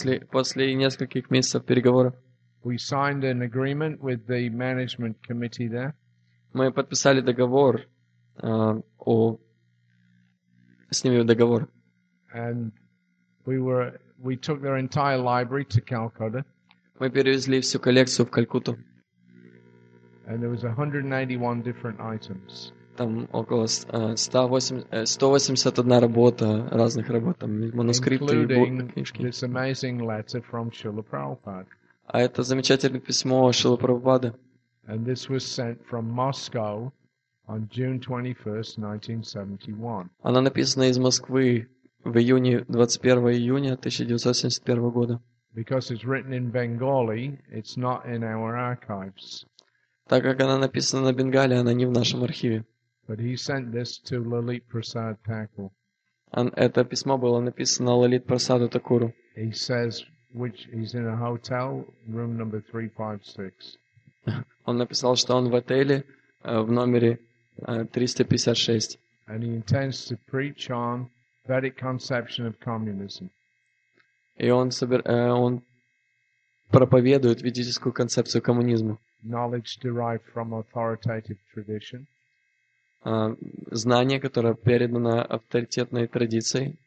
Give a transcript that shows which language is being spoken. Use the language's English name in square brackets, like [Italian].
[Russian] После нескольких месяцев переговоров. [English] We signed an agreement with the management committee there. [Russian] Мы подписали договор о с ними договор. [English] And we took their entire library to Calcutta. [Russian] Мы перевезли всю коллекцию в Калькутту. [English] And there was 181 different items. [Russian] Там около 181 работа, разных работ, там манускрипты, книжки. [English] This amazing letter from Srila Prabhupada. [Russian] А это замечательное письмо Шрилы Прабхупады. [English] And this was sent from Moscow. On June 21st, 1971. [Russian] Она написана из Москвы в июне 21 июня 1971 года. [English] Because it's written in Bengali, it's not in our archives. [Russian] Так как она написана на бенгали, она не в нашем архиве. [English] But he sent this to Lalit Prasad Thakur. [Russian] Это письмо было написано Лалит Прасаду Такуру. [English] He says which he's in a hotel, room number 356. [Russian] Он написал, что он в отеле в номере 356. [English] And he intends to preach on Vedic conception of communism. [Russian] И он проповедует ведическую концепцию коммунизма. [English] Knowledge derived from authoritative tradition. [Russian] Знание, которое передано авторитетной традицией.